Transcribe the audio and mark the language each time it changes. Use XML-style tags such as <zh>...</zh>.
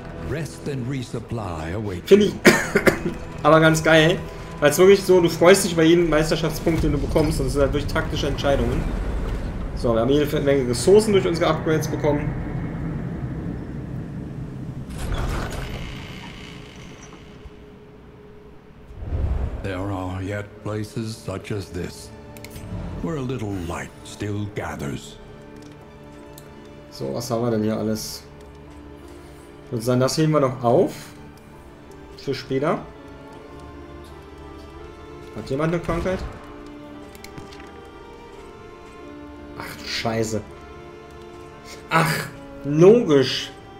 <en>Rest and resupply awaits.</en> <de>Finde ich aber ganz geil. Weil es wirklich so, du freust dich bei jedem Meisterschaftspunkt, den du bekommst. Und das ist halt durch taktische Entscheidungen. So, wir haben jede Menge Ressourcen durch unsere Upgrades bekommen.</de> <en>There are yet places such as this, where a little light still gathers.</en> <de>So, was haben wir denn hier alles? Würde sagen, das heben wir noch auf. Für später. Hat jemand eine Krankheit? Ach du Scheiße. Ach, logisch.</de>